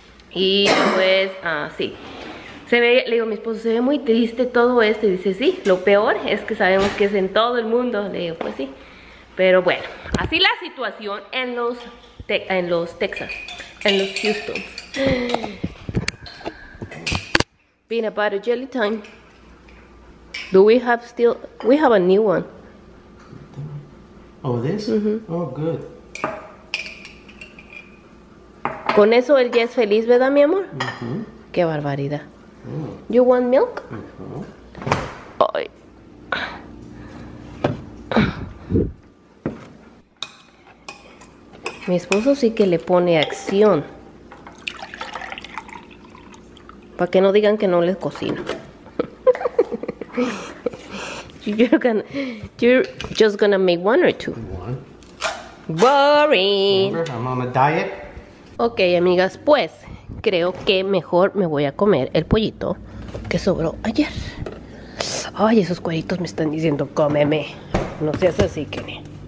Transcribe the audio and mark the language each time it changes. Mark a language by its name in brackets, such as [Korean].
[Spanish] Y pues, sí. Se ve, le digo a mi esposo, se ve muy triste todo esto. Y dice, sí, lo peor es que sabemos que es en todo el mundo. Le digo, pues sí. Pero bueno, así la situación en los, Texas, en los Houston. [English] Peanut butter jelly time. Do we have still, we have a new one. Oh, this? Mm-hmm. Oh, good. [Spanish] Con eso él ya es feliz, ¿verdad, mi amor? Mm-hmm. Qué barbaridad. Mm. [English] You want milk? Mm-hmm. Ay. [Spanish] Mi esposo sí que le pone acción. Para que no digan que no les cocino. [English] You're just gonna make one or two. One. Boring. Remember, I'm on a diet. [Spanish] Ok, amigas, pues creo que mejor me voy a comer el pollito que sobró ayer. Ay, esos cueritos me están diciendo cómeme. No seas así, Kenny.